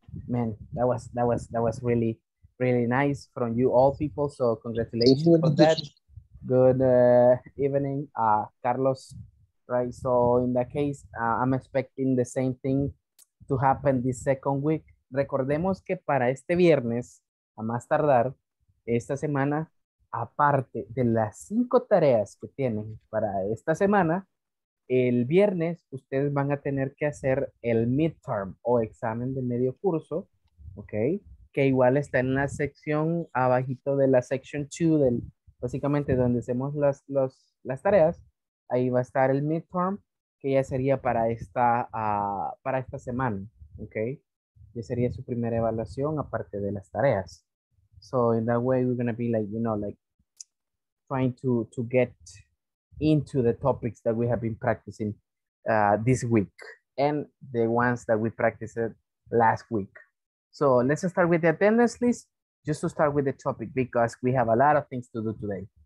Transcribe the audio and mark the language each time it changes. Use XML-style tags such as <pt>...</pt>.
<en>Man, that was really, really nice from you all people, so congratulations on that. Good evening, Carlos, right? So in that case, I'm expecting the same thing to happen this second week.</en> <es>Recordemos que para este viernes, a más tardar, esta semana, aparte de las 5 tareas que tienen para esta semana, el viernes ustedes van a tener que hacer el midterm o examen de medio curso, ¿ok? Que igual está en la sección abajito de la section 2, básicamente donde hacemos las tareas. Ahí va a estar el midterm, que ya sería para esta semana, ¿ok? Ya sería su primera evaluación aparte de las tareas.</es> <en>So in that way, we're going to be like, you know, like trying to get into the topics that we have been practicing this week and the ones that we practiced last week. So let's start with the attendance list, just to start with the topic, because we have a lot of things to do today.</en>